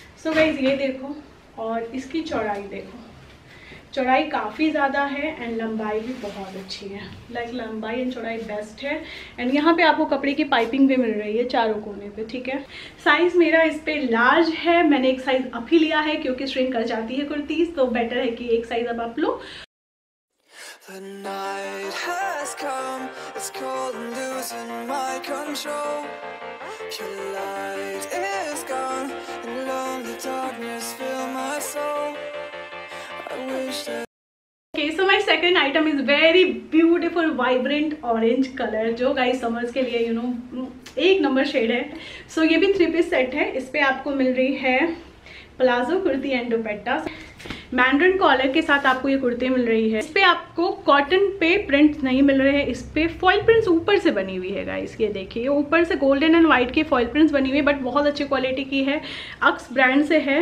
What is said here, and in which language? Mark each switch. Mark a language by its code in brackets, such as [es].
[hi] So guys ये देखो, और इसकी चौड़ाई देखो, चौड़ाई काफ़ी ज़्यादा है, एंड लंबाई भी बहुत अच्छी है, लाइक लंबाई एंड चौड़ाई बेस्ट है। एंड यहाँ पे आपको कपड़े की पाइपिंग भी मिल रही है चारों कोने पे, ठीक है। साइज़ मेरा इस पर लार्ज है, मैंने एक साइज़ अप ही लिया है क्योंकि श्रिंक कर जाती है कुर्तीज, तो बेटर है कि एक साइज़ अब आप लो। [en] The night has come, it's cold and losing my control. Your light is gone, and lonely darkness fills my soul. I wish that. Okay, so my second item is very beautiful vibrant orange color, [hi] जो guys summers के लिए you know एक number shade है। So ये भी three piece set है, इस पर आपको मिल रही है palazzo kurti and dupatta. Mandarin collar के साथ आपको ये कुर्ती मिल रही है, इस पे आपको कॉटन पे प्रिंट्स नहीं मिल रहे हैं, इस पे फॉइल प्रिंट्स ऊपर से बनी हुई है गाइस। ये देखिए, ऊपर से गोल्डन एंड व्हाइट के फॉइल प्रिंट्स बनी हुई है, बट बहुत अच्छी क्वालिटी की है, अक्स ब्रांड से है।